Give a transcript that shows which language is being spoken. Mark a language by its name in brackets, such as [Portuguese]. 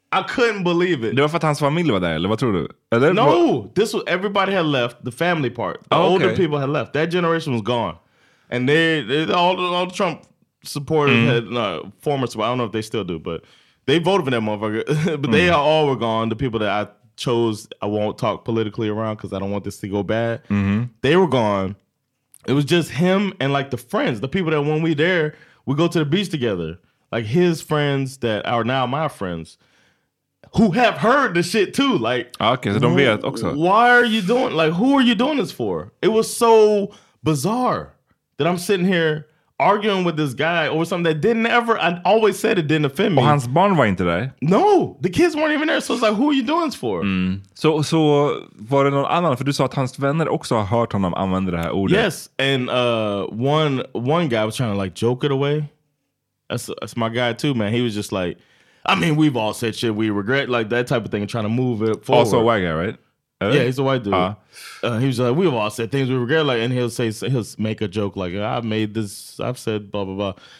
[Swedish] Det var för att hans familj var där, eller vad tror du? [English] No, this was, everybody had left. The family part, the older people had left. That generation was gone. And all the Trump supporters had, former supporters, I don't know if they still do, but they voted for that motherfucker. But they all were gone. The people that I chose, I won't talk politically around because I don't want this to go bad. They were gone. It was just him and like the friends, the people that when we there, we go to the beach together. Like his friends that are now my friends, who have heard the shit too. Like, okay, so don't be at Oxford. Why are you doing? Like, who are you doing this for? It was so bizarre that I'm sitting here arguing with this guy over something that didn't ever. I always said it didn't offend me. [Swedish] Och hans barn var inte där. [English] No, the kids weren't even there. So it's like, who are you doing this for? [Swedish] So var det någon annan? För du sa att hans vänner också har hört honom använda det här ordet. [English] Yes, and one guy was trying to like joke it away. That's my guy too, man. He was just like, I mean, we've all said shit we regret, like that type of thing, trying to move it forward. Also a white guy, right? Yeah, he's a white dude. He was like, we've all said things we regret, like, and he'll make a joke like, I've said blah, blah, blah.